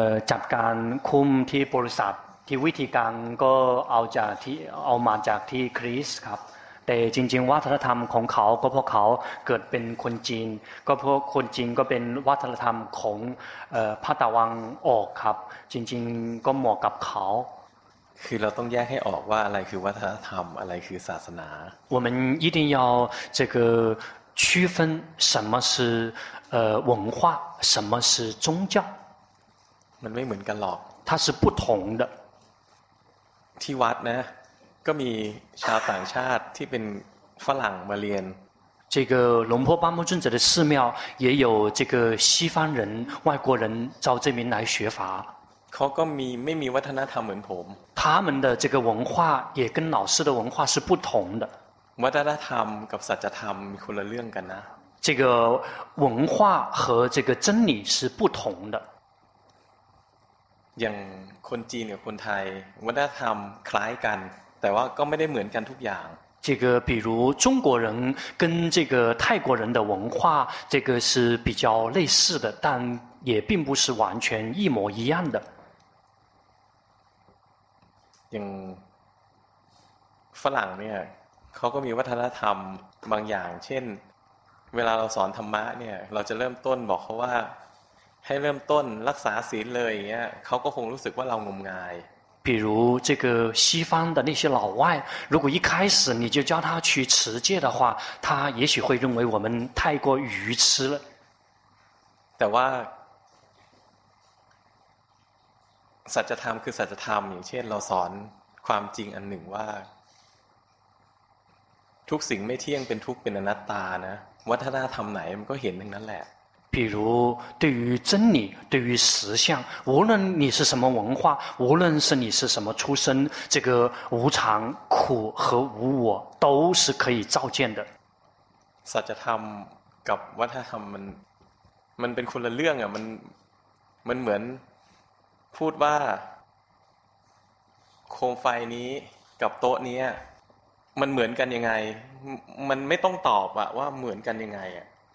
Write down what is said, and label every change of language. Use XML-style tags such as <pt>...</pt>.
<th>จัดการคุมที่บริษัทที่วิธีการก็เอาจากที่เอามาจากที่คริสครับแต่จริงๆวัฒนธรรมของเขาก็เพราะเขาเกิดเป็นคนจีนก็เพราะคนจีนก็เป็นวัฒนธรรมของพระตะวันออกครับจริงๆก็เหมาะกับเขา คือเราต้องแยกให้ออกว่าอะไรคือวัฒนธรรมอะไรคือศาสนา</th> <zh>我们一定要这个区分什么是文化什么是宗教</zh> <th>มันไม่เหมือนกันหรอก</th> <zh>它是不同的</zh> <th>ที่วัดนะก็มีชาวต่างชาติที่เป็นฝรั่งมาเรียน</th> <zh>这个龙婆巴木尊者的寺庙也有这个西方人外国人照这边来学法</zh> <th>เขาก็มีไม่มีวัฒนธรรมเหมือนผม</th> <zh>他们的这个文化也跟老师的文化是不同的</zh> <th>วัฒนธรรมกับสัจธรรมมีคนละเรื่องกันนะ</th> <zh>这个文化和这个真理是不同的</zh> <th>อย่างคนจีนกับคนไทยวัฒนธรรมคล้ายกันแต่ว่าก็ไม่ได้เหมือนกันทุกอย่าง</th> <zh>这个比如中国人跟这个泰国人的文化这个是比较类似的但也并不是完全一模一样的</zh> <th>อย่างฝรั่งเนี่ยเขาก็มีวัฒนธรรมบางอย่างเช่นเวลาเราสอนธรรมะเนี่ยเราจะเริ่มต้นบอกเขาว่าให้เริ่มต้นรักษาศีลเลยอย่างเงี้ยเขาก็คงรู้สึกว่าเรางมงาย</th> <zh>比如这个西方的那些老外如果一开始你就教他去持戒的话他也许会认为我们太过愚痴了</zh> <th>แต่ว่าสัจธรรมคือสัจธรรมอย่างเช่นเราสอนความจริงอันหนึ่งว่าทุกสิ่งไม่เที่ยงเป็นทุกข์เป็นอนัตตานะวัฒนธรรมไหนมันก็เห็นทั้งนั้นแหละ</th> <zh>比如对于真理对于实相无论你是什么文化无论是你是什么出身这个无常苦和无我都是可以照见的</zh> <th>สัจธรรมกับวัฒนธรรมมันเป็นคนละเรื่องอ่ะมันเหมือนพูดว่าโคมไฟนี้กับโต๊ะนี้มันเหมือนกันยังไงมันไม่ต้องตอบอะว่าเหมือนกันยังไงอะ</th>